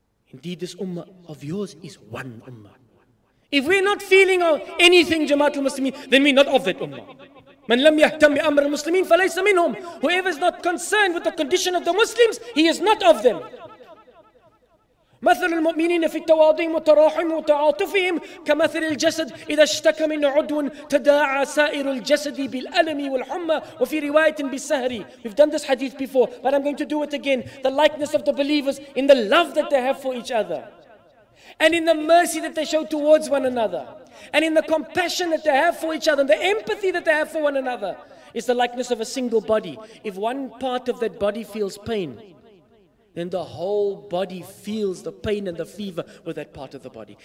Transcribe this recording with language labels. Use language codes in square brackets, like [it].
[en] Indeed, this ummah of yours is one ummah. If we're not feeling anything, Jamaat al-Muslimin, then we're not of that ummah. [ar] Man lam yahtam bi amr al-Muslimin falaysa minhum. [en] Whoever is not concerned with the condition of the Muslims, he is not of them. [ar] مثل المؤمنين في التواضيم وتراحم وتعاطفهم كمثل الجسد إذا اشتكى من عضو تداعى سائر الجسد بالألم والحمى وفي رواية بالسهر. [en] We've done this hadith before, but I'm going to do it again. The likeness of the believers in the love that they have for each other, and in the mercy that they show towards one another, and in the compassion that they have for each other, and the empathy that they have for one another, is the likeness of a single body. If one part of that body feels pain, then the whole body feels the pain and the fever with that part of the body.